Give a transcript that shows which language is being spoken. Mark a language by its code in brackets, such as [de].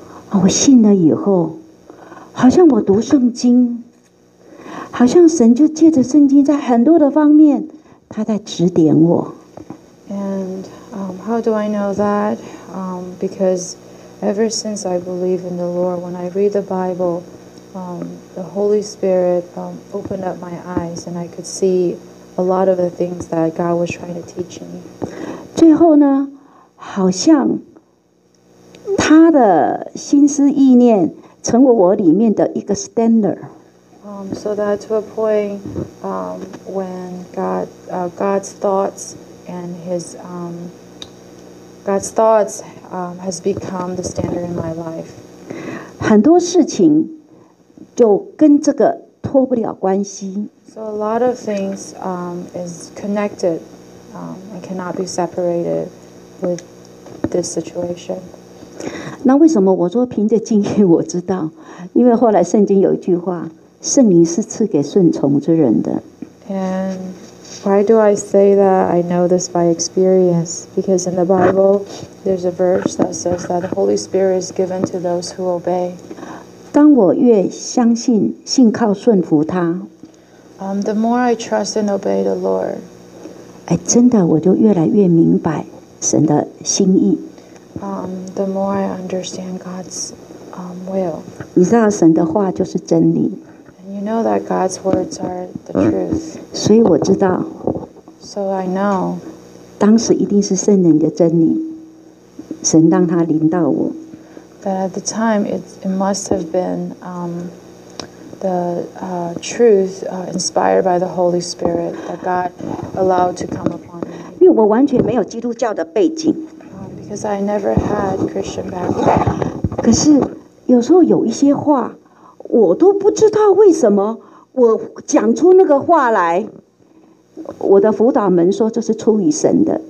[zh] 啊，我信了以后，好像我读圣经，好像神就借着圣经在很多的方面，他在指点我。 [en] And, how do I know that? Because ever since I believe in the Lord, when I read the Bible, the Holy Spirit, opened up my eyes and I could see a lot of the things that God was trying to teach me. [zh] 最后呢，好像他的心思意念成为我里面的一个 standard. [en] So that to a point, when God's thoughts and his, God's thoughts, has become the standard in my life. [zh] 很多事情就跟这个脱不了关系。 [en] So a lot of things, is connected, and cannot be separated with this situation. [zh] 那为什么我说凭着经验我知道？因为后来圣经有一句话，圣灵是赐给顺从之人的。 [en] And why do I say that I know this by experience? Because in the Bible, there's a verse that says that the Holy Spirit is given to those who obey. [zh] 当我越相信、信靠、顺服他。 [en] The more I trust and obey the Lord, [zh] 哎，真的，我就越来越明白神的心意。 [en] The more I understand God's, will. [zh] 你知道神的话就是真理。 [en] And you know that God's words are the truth. [zh] 所以我知道。 [en] So I know. [zh] 当时一定是圣灵的真理，神让他临到我。 [en] That at the time it must have been, the truth, inspired by the Holy Spirit that God allowed to come upon me. [zh] 因为我完全没有基督教的背景。 [en] Because I never had Christian background. [zh] 可是有时候有一些话，我都不知道为什么我讲出那个话来。我的辅导们说这是出于神的。